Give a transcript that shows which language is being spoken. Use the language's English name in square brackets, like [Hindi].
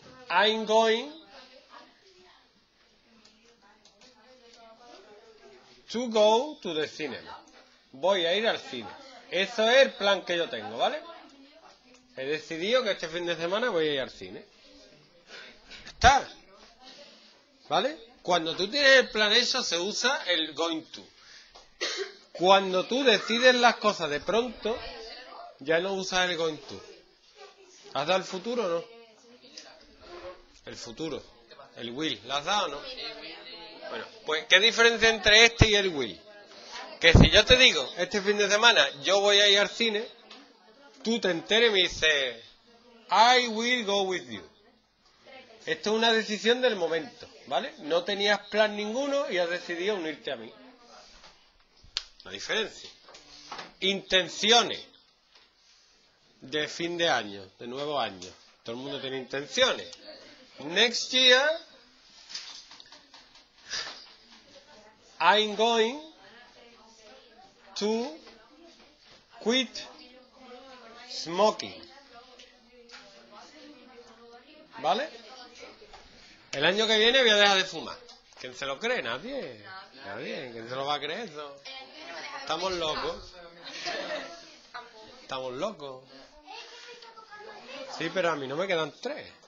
[English] I'm going to go to the cinema. [Spanish] Voy a ir al cine. Eso es el plan que yo tengo, ¿vale? He decidido que este fin de semana voy a ir al cine. ¿Está? ¿Vale? Cuando tú tienes el plan hecho, se usa el going to. Cuando tú decides las cosas de pronto, ya no usas el going to. ¿Has dado el futuro o no? El futuro, el will, ¿lo has dado o no? Bueno, pues ¿qué diferencia entre este y el will? Que si yo te digo, este fin de semana yo voy a ir al cine, tú te enteres y me dices, [English] I will go with you. [Spanish] Esto es una decisión del momento, ¿vale? No tenías plan ninguno y has decidido unirte a mí. La diferencia. Intenciones de fin de año, de nuevo año. Todo el mundo tiene intenciones. [English] Next year, I'm going to quit smoking. [Spanish] ¿Vale? El año que viene voy a dejar de fumar. ¿Quién se lo cree? Nadie. Nadie. ¿Quién se lo va a creer eso? Estamos locos. Estamos locos. Sí, pero a mí no me quedan tres.